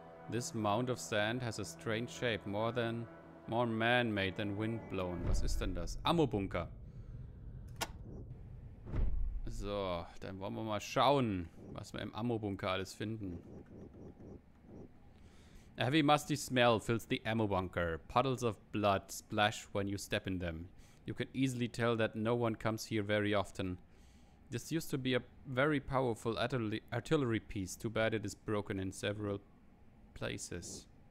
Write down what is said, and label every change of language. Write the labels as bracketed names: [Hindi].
[English] This mound of sand has a strange shape, more man-made than wind-blown. [German] Was ist denn das? Ammo-Bunker. So, dann wollen wir mal schauen, was wir im Ammo-Bunker alles finden. [English] A heavy musty smell fills the ammo bunker. Puddles of blood splash when you step in them. You can easily tell that no one comes here very often. This used to be a very powerful artillery piece. Too bad it is broken in several places.